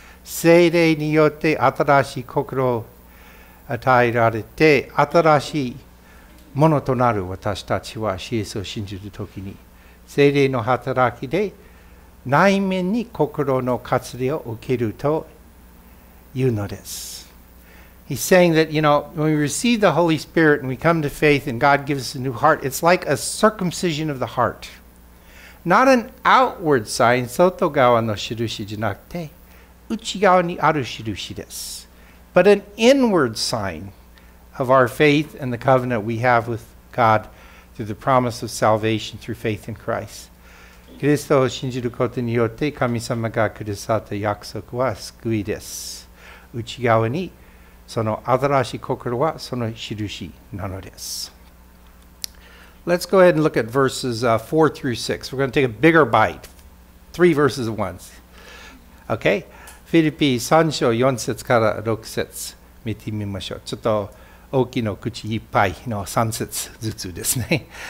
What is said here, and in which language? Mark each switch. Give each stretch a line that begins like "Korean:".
Japanese: 聖霊によって新しい心を与えられて、新しいものとなる私たちは、イエスを信じるときに、聖霊の働きで内面に心の活動を受けるというのです。
English: He's saying that, you know, when we receive the Holy Spirit and we come to faith and God gives us a new heart, it's like a circumcision of the heart. Not an outward sign,
Japanese: 外側の印じゃなくて、内側にある印です。
English: But an inward sign of our faith and the covenant we have with God through the promise of salvation through faith in Christ.
Japanese: キリストを信じることによって神様がくださった約束は救いです。内側にその新しい心はその印なのです。
English: Let's go ahead and look at verses 4 through 6. We're going to take a bigger bite. Three verses at once. Okay.
Japanese: フィリピ3章4節から6節見てみましょう。ちょっと大きな口いっぱいの3節ずつですね。